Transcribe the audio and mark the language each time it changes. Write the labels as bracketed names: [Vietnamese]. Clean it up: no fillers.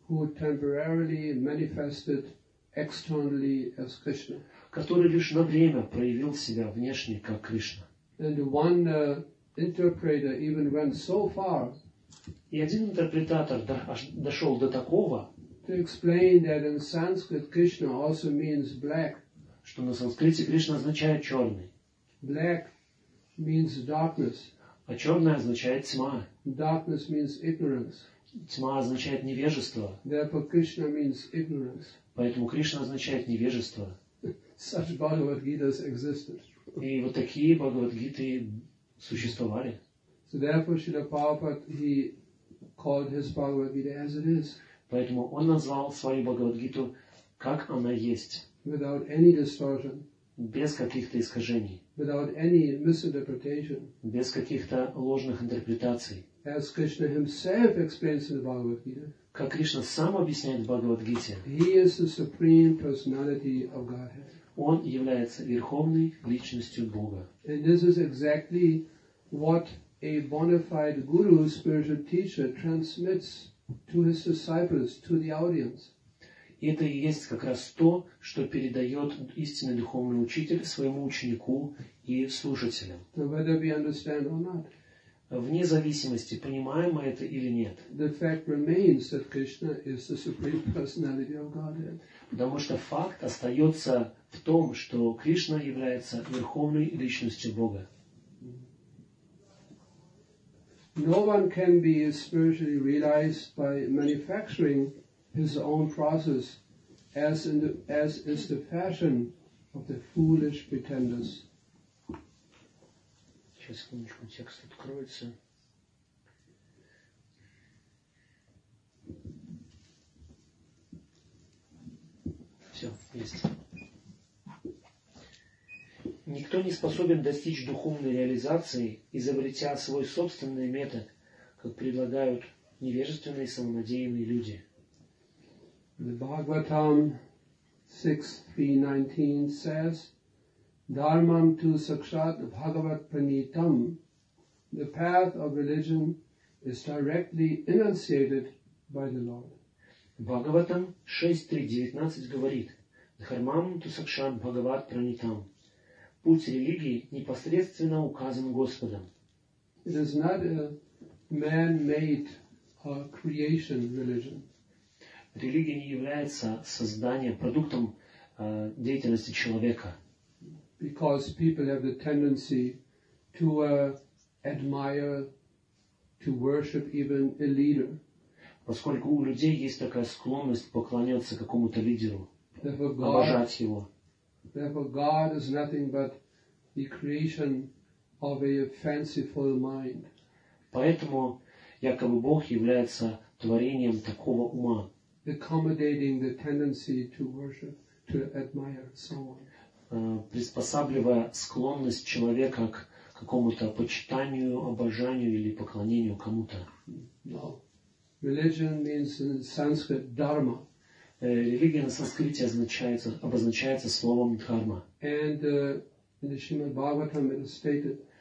[Russian] который [English] temporarily manifested externally as Krishna. [Russian] Который лишь на время проявил себя внешне, как Кришна. [English] And one interpreter even went so far, [Russian] и один интерпретатор дошел до такого, [English] to explain that in Sanskrit Krishna also means black, [Russian] что на санскрите Кришна означает черный. [English] Black means darkness. [Russian] А черное означает тьма. [English] Darkness means ignorance. [Russian] Тьма означает невежество. [English] Therefore Krishna means ignorance. [Russian] Поэтому Кришна означает невежество. [English] Such Bhagavad Gitas existed. [Russian] И вот такие Бхагавад Гиты существовали. [English] So therefore Srila Prabhupada, he called his Bhagavad Gita as it is. [Russian] Поэтому он назвал свою Бхагавад Гиту, как она есть. [English] Without any distortion. [Russian] Без каких-то искажений. [English] Without any misinterpretation. [Russian] Без каких-то ложных интерпретаций. [English] As Krishna himself explains in the Bhagavad Gita. [Russian] Как Кришна сам объясняет в Бхагавад Гите. [English] He is the supreme personality of Godhead. [Russian] Он является верховной личностью Бога. [English] And this is exactly what a bona fide guru, spiritual teacher, transmits to his disciples, to the audience. [Russian] И это и есть как раз то, что передает истинный духовный учитель своему ученику и слушателям. [English] So whether we understand or not. [Russian] Вне зависимости, понимаем мы это или нет. [English] The fact remains that Krishna is the supreme personality of Godhead. [Russian] Потому что факт остается в том, что Кришна является верховной личностью Бога. [English] No one can be spiritually realized by manufacturing his own process, as is the fashion of the foolish pretenders. [Russian] Сейчас, секундочку, текст откроется. Все, есть. Никто не способен достичь духовной реализации, изобретя свой собственный метод, как предлагают невежественные самонадеянные люди. [English] The Bhagavatam 6.3.19 says, [Sanskrit] Dharmam tu sakshat bhagavat pranitam. [English] The path of religion is directly enunciated by the Lord. [Sanskrit] Bhagavatam 6.3.19 [Russian] говорит, [Sanskrit] Dharmam tu sakshat bhagavat pranitam. [Russian] Путь религии непосредственно указан Господом. [English] It is not a man-made creation religion. [Russian] Религия не является созданием, продуктом деятельности человека. [English] Because people have the tendency to admire, to worship even a leader. [Russian] Поскольку у людей есть такая склонность поклоняться какому-то лидеру, обожать его. [English] Therefore God is nothing but the creation of a fanciful mind. [Russian] Поэтому якобы Бог является творением такого ума. [English] Accommodating the tendency to worship, to admire, so on. [Russian] Приспосабливая склонность человека к какому-то почитанию, обожанию или поклонению кому-то. [English] No. Religion means in Sanskrit dharma. [Russian] Религия на санскрите обозначается словом дхарма. [English] And in the Srimad Bhagavatam it is stated.